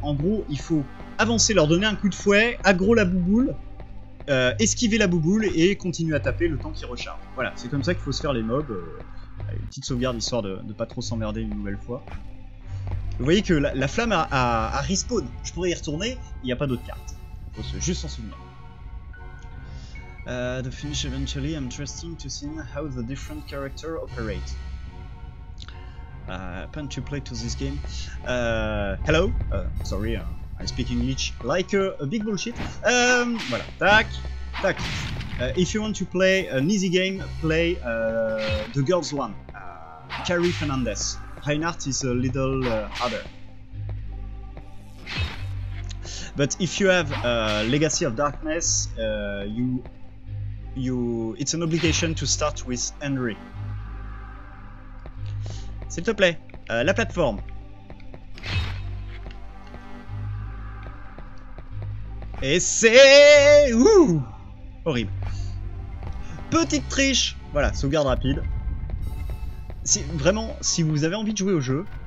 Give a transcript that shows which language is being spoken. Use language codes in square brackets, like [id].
[fr] En gros, il faut avancer, leur donner un coup de fouet, aggro la bouboule, esquiver la bouboule et continuer à taper le temps qu'il recharge. Voilà, c'est comme ça qu'il faut se faire les mobs. Une petite sauvegarde histoire de ne pas trop s'emmerder une nouvelle fois. Vous voyez que la flamme a respawn. Je pourrais y retourner, il n'y a pas d'autre carte. Faut se juste s'en souvenir. [en] To finish eventually, I'm interested to see how the different characters operate. Plan to play to this game. Hello. Sorry, I speak English like a big bullshit. Voilà. Tac. If you want to play an easy game, play the girl's one. Carrie Fernandez. Reinhardt is a little harder. But if you have Legacy of Darkness, it's an obligation to start with Henry. [fr] S'il te plaît, la plateforme. Et c'est... Ouh ! Horrible. Petite triche ! Voilà, sauvegarde rapide. Si, vraiment, si vous avez envie de jouer au jeu...